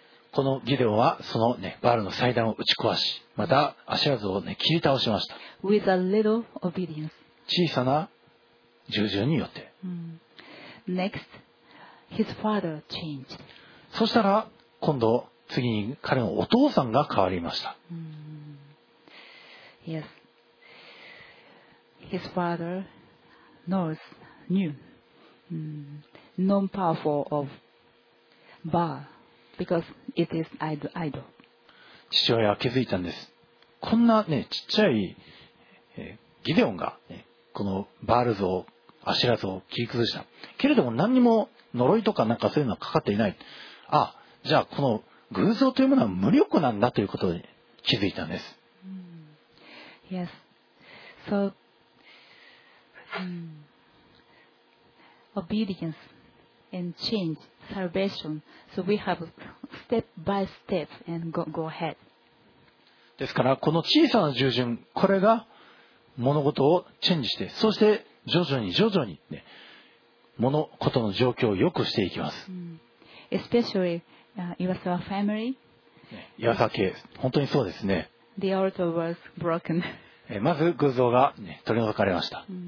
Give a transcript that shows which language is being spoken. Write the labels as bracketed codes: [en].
[ja] このギデオンはそのねバールの祭壇を打ち壊し、またアシュラ像を、ね、切り倒しました。 [en] With a little obedience. [ja] 小さな従順によって。 [en] Next, his father changed. [ja] そしたら今度次に彼のお父さんが変わりました。 [en] Yes, his father knows new non-powerful of Baal because it is idol. [ja] 父親は気づいたんです。こんなねちっちゃい、ギデオンが、ね、このバール像アシラ像を切り崩したけれども、何にも呪いとかなんかそういうのはかかっていない。あ、じゃあこの偶像というものは無力なんだということに気づいたんです。 [en] Yes. So, obedience and change salvation. So we have step by step and go ahead. [ja] ですからこの小さな従順、これが物事をチェンジして、そして徐々に徐々に、ね、物事の状況を良くしていきます。 [en] Especially Iwasawa family. [ja] 岩沢家、本当にそうですね。 [en] The altar was broken. [ja] まず偶像が、ね、取り除かれました。